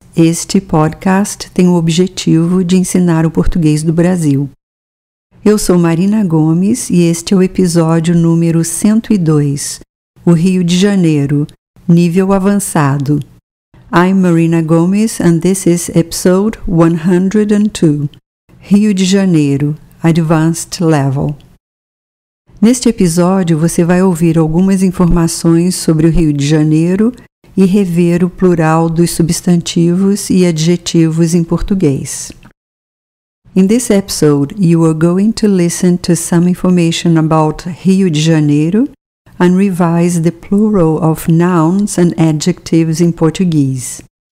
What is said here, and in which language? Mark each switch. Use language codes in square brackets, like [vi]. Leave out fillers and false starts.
[pt] Este podcast tem o objetivo de ensinar o português do Brasil. Eu sou Marina Gomes e este é o episódio número 102, o Rio de Janeiro, nível avançado. [en] I'm Marina Gomes and this is episode 102, Rio de Janeiro, Advanced Level. [pt] Neste episódio, você vai ouvir algumas informações sobre o Rio de Janeiro e rever o plural dos substantivos e adjetivos em português. [en] In this episode, you are going to listen to some information about Rio de Janeiro and revise the plural of nouns and adjectives in Portuguese.